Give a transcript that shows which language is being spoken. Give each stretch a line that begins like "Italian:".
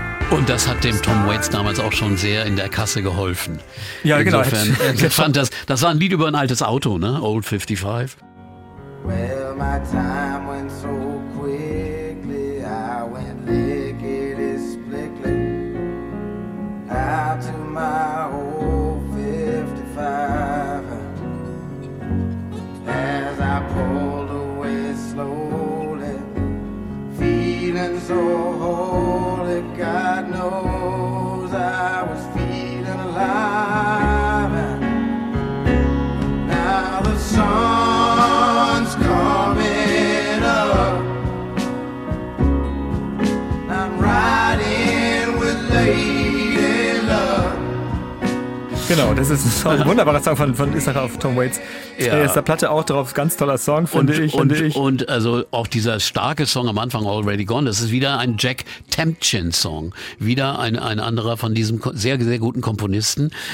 German: Und das hat dem Tom Waits damals auch schon sehr in der Kasse geholfen. Ja, insofern, genau. Ich fand das war ein Lied über ein altes Auto, ne? Old 55.
English: Well, my time went so quickly, I went lickety-splickly out to my old 55. As I pulled away slowly, feeling so holy, God knows I was feeling alive. Now the sun's coming up, I'm riding with Lady Luck.
German: Genau, das ist ein wunderbarer Song von Israel auf Tom Waits. Ja. Erster Platte auch drauf, ganz toller Song, finde ich. Und also auch dieser starke Song am Anfang, Already Gone, das ist wieder ein Jack Temchin Song. Wieder ein anderer von diesem sehr, sehr guten Komponisten.